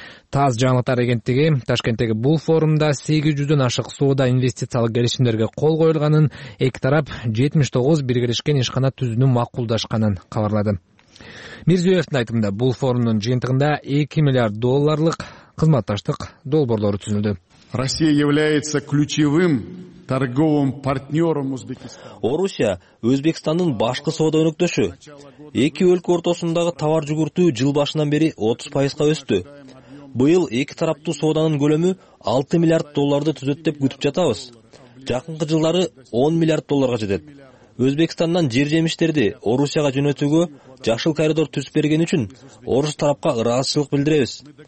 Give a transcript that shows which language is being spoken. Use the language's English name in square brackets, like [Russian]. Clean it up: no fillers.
[Kyrgyz] ТАСС жаңылыктар агенттиги Ташкенттеги бул форумда 800 ашык соода инвестициялык келишимдерге кол коюлганын, эки тарап 79 биргелешкен ишкана түзүүнү макулдашканын кабарлады. Мирзиёевдин айтымында бул форумдун жыйынтыгында 2 миллиард долларлык кызматташтык долбоорлору түзүлдү. [Russian] Россия является ключевым торговым партнёром Узбекистана. [Kyrgyz] Орусия Өзбекстандын башкы соода өнөктөшү. Эки өлкө ортосундагы товар жүгүртүү жыл башынан бери 30% өстү. Быйыл эки тараптуу сооданын көлөмү 6 миллиард долларды түзөт деп күтүп жатабыз. Жакынкы жылдары 10 миллиард долларга жетет. Өзбекстандан жер жемиштерди Орусияга жөнөтүүгө жашыл коридор түз берген үчүн орус тарапка ыраазычылык билдиребиз.